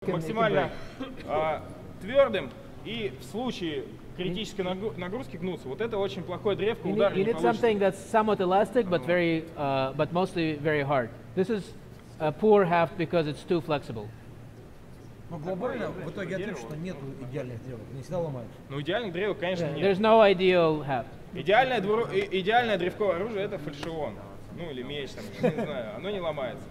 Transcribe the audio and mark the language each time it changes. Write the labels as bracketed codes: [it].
[ru] максимально твердым, и в случае критической нагрузки гнуться, вот это очень плохой древко, удар не получится. [en] You need something that's somewhat elastic, but very, but mostly very hard. This is a poor haft because it's too flexible. [ru] Но глобально в итоге ответ, что нет идеальных древок, не всегда ломаются. Ну идеальных древок, конечно, нет. [en] There's no ideal haft. [ru] Идеальное, идеальное древковое оружие это фальшион, ну или меч там, не знаю, оно не ломается.